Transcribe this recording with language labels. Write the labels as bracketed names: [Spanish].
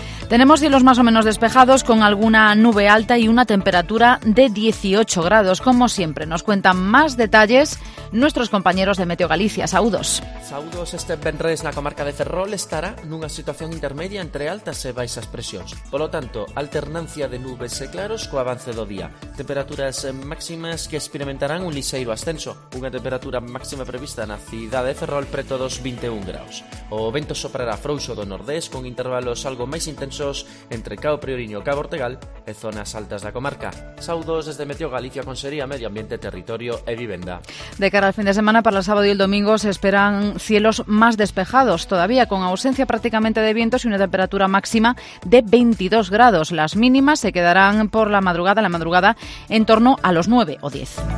[Spanish] Tenemos cielos más o menos despejados con alguna nube alta y una temperatura de 18 grados. Como siempre, nos cuentan más detalles nuestros compañeros de Meteo Galicia. [Galician] Saúdos. Saúdos, este venres na comarca de Ferrol estará nunha situación intermedia entre altas e baixas presións. Polo tanto, alternancia de nubes e claros co avance do día. Temperaturas máximas que experimentarán un lixeiro ascenso. Unha temperatura máxima prevista na cidade de Ferrol preto dos 21 graus. O vento soprará frouxo do nordés con intervalos algo máis intensos entre Cao Prioriño e Cabo Ortegal e zonas altas da comarca. Saudos desde Meteo Galicia, Consería, Medio Ambiente, Territorio e Vivenda. [Spanish] De cara al fin de semana, para el sábado y el domingo, se esperan cielos más despejados todavía, con ausencia prácticamente de vientos y una temperatura máxima de 22 grados. Las mínimas se quedarán por la madrugada, en torno a los 9 o 10.